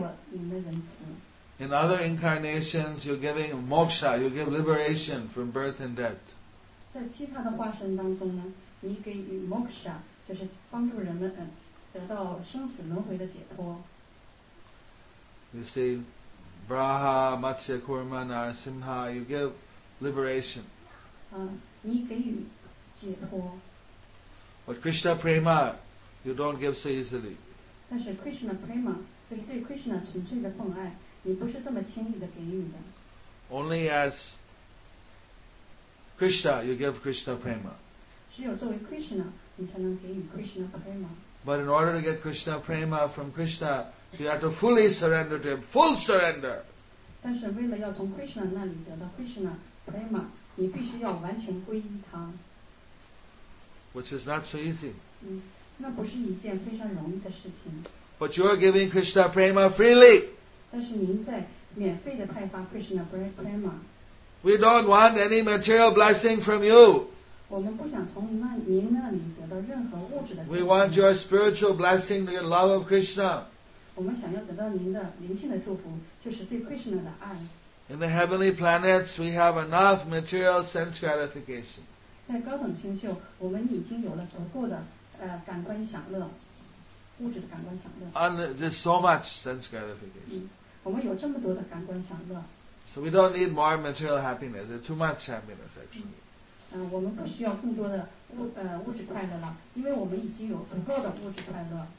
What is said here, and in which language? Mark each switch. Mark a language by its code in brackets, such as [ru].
[en] In other incarnations, you're giving moksha, you give liberation from birth and death. [zh] 在其他的化身当中呢，你给予 moksha 就是帮助人们得到生死轮回的解脱。 [en] You see, Braha, Matsya, Kurma, Narasimha, you give liberation. [zh] 你给予解脱。 [en] But Krishna Prema, you don't give so easily. [zh] 但是 Krishna Prema, 就是对 Krishna 纯粹的奉爱，你不是这么轻易的给予的。 [en] Only as Krishna, you give Krishna Prema. [zh] 只有作为 Krishna, 你才能给予 Krishna Prema. [en] But in order to get Krishna Prema from Krishna, you have to fully surrender to him, full surrender. [zh] 但是为了要从 Krishna 那里得到 Krishna Prema,你必须要完全皈依他。 [en] Which is not so easy. [zh] 那不是一件非常容易的事情。 [en] But you are giving Krishna Prema freely. [zh] 但是您在免费的派发 Krishna Prema。 [en] We don't want any material blessing from you. [zh] 我们不想从您那里得到任何物质的。 [en] We want your spiritual blessing, the love of Krishna. [zh] 我们想要得到您的灵性的祝福，就是对 Krishna 的爱。 [en] In the heavenly planets, we have enough material sense gratification. [zh] 在高等星宿，我们已经有了足够的感官享乐，物质的感官享乐。 [en] And there's so much sense gratification. [zh] 我们有这么多的感官享乐。 [en] So we don't need more material happiness. There's too much happiness actually. [zh] 我们不需要更多的物质快乐了，因为我们已经有足够的物质快乐。